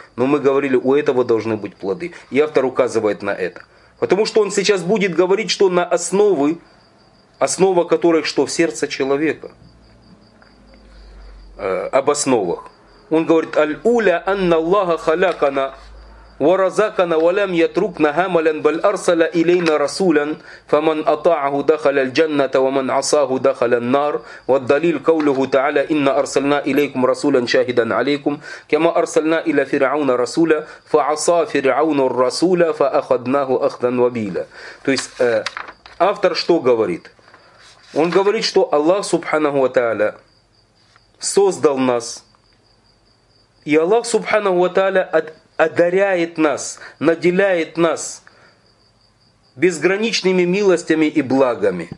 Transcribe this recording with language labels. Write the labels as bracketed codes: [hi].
[ru] Но мы говорили, у этого должны быть плоды. И автор указывает на это. Потому что он сейчас будет говорить, что на основы, основа которых что? В сердце человека. Об основах. Он говорит, [ar] «Аль-уля анна Аллаха халякана». ورزقنا ولم يتركنا هملا بل أرسل إلينا رسولا فمن أطاعه دخل الجنة ومن عصاه دخل النار والدليل قوله تعالى إن أرسلنا إليكم رسولا شاهدا عليكم كما أرسلنا إلى فرعون رسولا فعصى فرعون الرسول فأخذناه أخذا وبيلا. [ru] То есть автор что говорит? Он говорит, что Аллах سبحانه وتعالى создал нас, и Аллах سبحانه وتعالى одаряет нас, наделяет нас безграничными милостями и благами.